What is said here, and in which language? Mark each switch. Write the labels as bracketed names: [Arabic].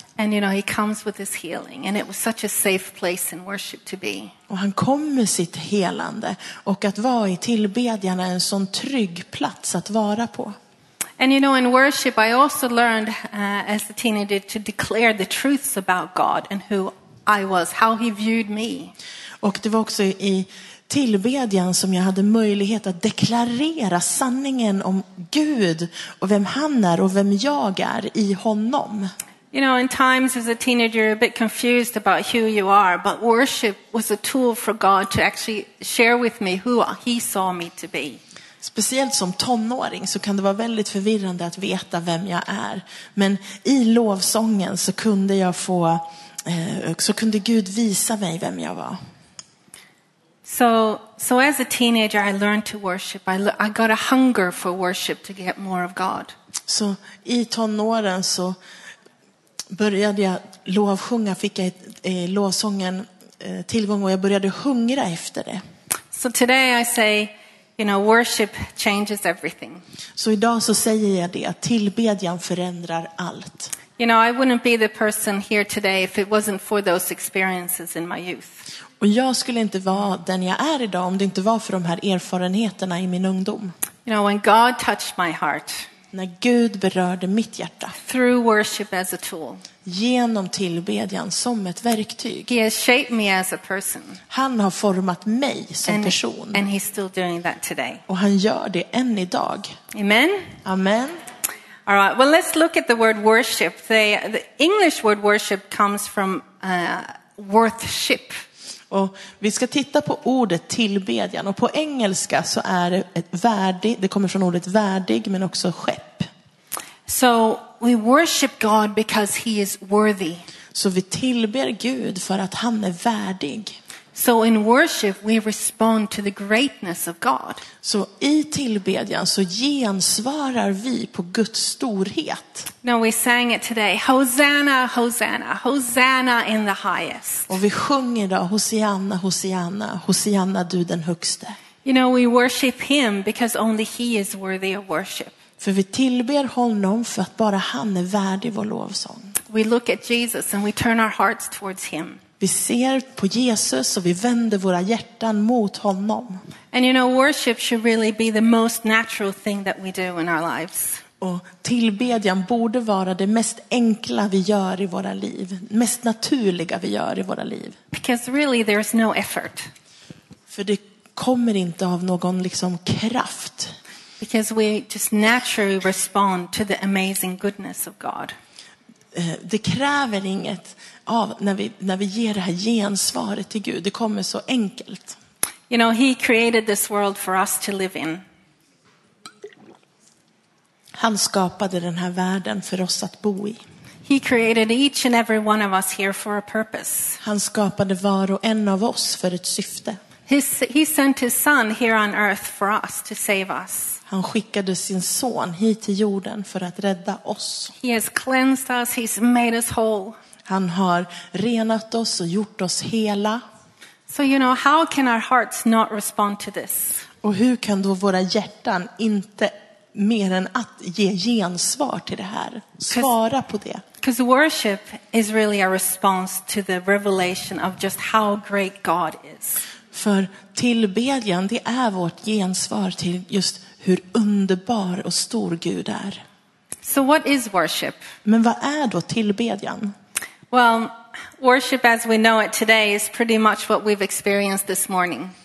[English] And you know, he comes with his healing, and it was such a safe place in worship to be. [Swedish] Och han kommer sitt helande, och att vara i tillbedjan är en sån trygg plats att vara på. [English] And you know, in worship I also learned as a teenager to declare the truths about God and who I was, how he viewed me. [Swedish] Och det var också i tillbedjan som jag hade möjlighet att deklarera sanningen om Gud och vem han är och vem jag är i honom. [English] You know, in times as a teenager you're a bit confused about who you are, but worship was a tool for God to actually share with me who he saw me to be. [Swedish] Speciellt som tonåring så kan det vara väldigt förvirrande att veta vem jag är, men i lovsången så kunde jag få så kunde Gud visa mig vem jag var. [English] So as a teenager I learned to worship. I got a hunger for worship to get more of God. [Swedish] Så i tonåren så började jag lovsjunga fick jag lovsången tillgång och jag började hungra efter det. [English] So today I say, you know, worship changes everything. [Swedish] Så idag så säger jag det, att tillbedjan förändrar allt. [English] You know, I wouldn't be the person here today if it wasn't for those experiences in my youth. [Swedish] Och jag skulle inte vara den jag är idag om det inte var för de här erfarenheterna i min ungdom. [English] You know, when God touched my heart. [Swedish] När Gud berörde mitt hjärta. [English] Through worship as a tool. [Swedish] Genom tillbedjan som ett verktyg. [English] He has shaped me as a person. [Swedish] Han har format mig som person. [English] And he's still doing that today. [Swedish] Och han gör det än idag. [English] Amen. [Swedish] Amen. [English] All right. Well, let's look at the word worship. The English word worship comes from worship. [Swedish] Och vi ska titta på ordet tillbedjan och på engelska så är det ett värdig, det kommer från ordet värdig men också skepp. [English] So we worship God because he is worthy. [Swedish] Så vi tillber Gud för att han är värdig. [English] So in worship we respond to the greatness of God. [Swedish] Så i tillbedjan så gensvarar vi på Guds storhet. [English] Now we sang it today. Hosanna, Hosanna, Hosanna in the highest. [Swedish] Och vi sjunger då Hosanna, Hosanna, Hosanna du den högste. [English] You know we worship him because only he is worthy of worship. [Swedish] För vi tillber honom för att bara han är värdig vår lovsång. [English] We look at Jesus and we turn our hearts towards him. [Swedish] Vi ser på Jesus och vi vänder våra hjärtan mot honom. [English] And you know worship should really be the most natural thing that we do in our lives. [Swedish] Och tillbedjan borde vara det mest enkla vi gör i våra liv, mest naturliga vi gör i våra liv. [English] Because really there's no effort. [Swedish] För det kommer inte av någon liksom kraft. [English] Because we just naturally respond to the amazing goodness of God. [Swedish] Det kräver inget av när vi ger det här gensvaret till Gud. Det kommer så enkelt. [English] You know, he created this world for us to live in. [Swedish] Han skapade den här världen för oss att bo i. [English] He created each and every one of us here for a purpose. [Swedish] Han skapade var och en av oss för ett syfte. [English] He sent his son here on earth for us to save us. [Swedish] Han skickade sin son hit till jorden för att rädda oss. [English] He has cleansed us, he's made us whole. [Swedish] Han har renat oss och gjort oss hela. [English] So you know, how can our hearts not respond to this? [Swedish] Och hur kan då våra hjärtan inte mer än att ge gensvar till det här? Svara på det. [English] Because worship is really a response to the revelation of just how great God is. [Swedish] För tillbedjan, det är vårt gensvar till just hur underbar och stor Gud är. [English] So what is worship? [Swedish] Men vad är då tillbedjan? [English] Well, worship as we know it today is pretty much what we've experienced this morning.